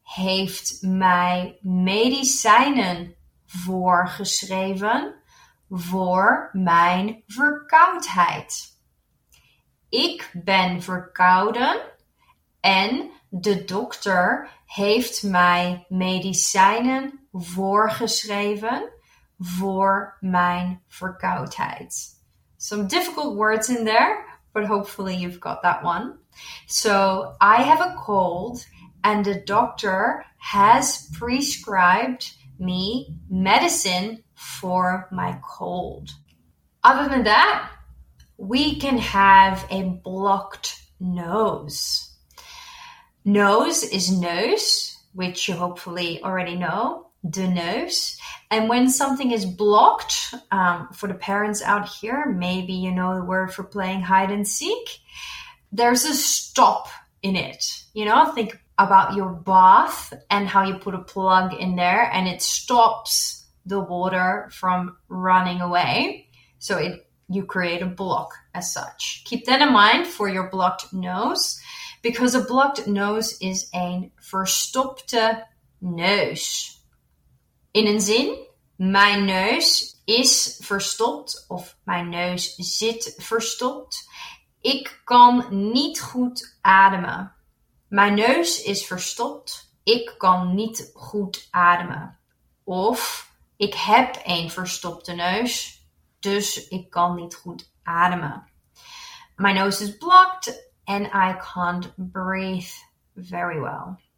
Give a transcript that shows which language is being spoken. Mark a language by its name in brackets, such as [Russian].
[Dutch] heeft mij medicijnen voorgeschreven voor mijn verkoudheid. Ik ben verkouden en de dokter heeft mij medicijnen voorgeschreven voor mijn verkoudheid. [English] Some difficult words in there, but hopefully you've got that one. So, I have a cold and the doctor has prescribed me medicine for my cold. Other than that, we can have a blocked nose. Nose is neus, which you hopefully already know, de neus. And when something is blocked, for the parents out here, maybe you know the word for playing hide and seek, there's a stop in it. You know, think about your bath and how you put a plug in there and it stops the water from running away. So you create a block as such. Keep that in mind for your blocked nose, because a blocked nose is a verstopte neus. [Dutch] In een zin, mijn neus is verstopt of mijn neus zit verstopt. Ik kan niet goed ademen. Mijn neus is verstopt. Ik kan niet goed ademen. Of ik heb een verstopte neus, dus ik kan niet goed ademen. [English] My nose is blocked and I can't breathe very well.